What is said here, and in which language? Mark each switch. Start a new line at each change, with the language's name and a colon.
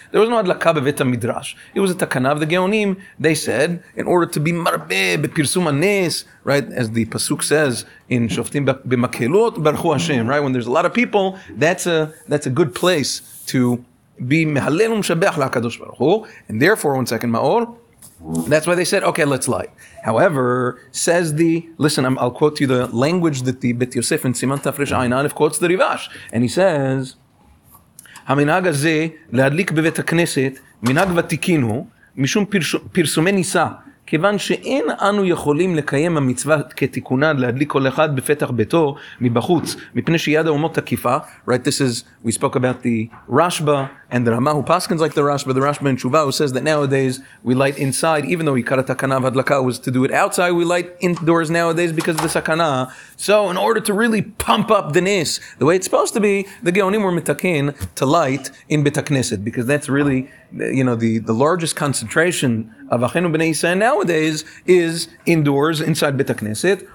English: There was no Hadlaka Bevet HaMidrash. It was a Takana of the Geonim, they said, in order to be Marbeh BePirsum HaNes, right, as the Pasuk says in Shoftim BeMakelot Baruch Hashem, right, when there's a lot of people, that's a good place to be Mehalel Umshabeach LaKadosh Baruch Hu. And therefore, one second, Maor, that's why they said, okay, let's light. However, says the, listen, I'll quote you the language that the Bet Yosef in Siman Tafresh Ayin Aleph quotes the Rivash. And he says,
Hebrew: HaMinag הזה להדליק בבית הכנסת מנהג ותיקין הוא משום פרסומי ניסה, כיוון שאין אנו יכולים לקיים המצווה כתיקונה להדליק כל אחד בפתח ביתו מבחוץ, מפני שיד האומות תקיפה.
English: Right, this is, we spoke about the Rashba And the Rama, who paskins like the Rashba, the Rashba in Tshuva, who says that nowadays we light inside, even though Ikara Takana of Hadlaka was to do it outside, we light indoors nowadays because of the Sakana. So in order to really pump up the Nis, the way it's supposed to be, the Geonim were mitakin to light in Bitakneset, because that's really, you know, the largest concentration of Achenu B'nai Yisrael nowadays is indoors, inside Bitakneset.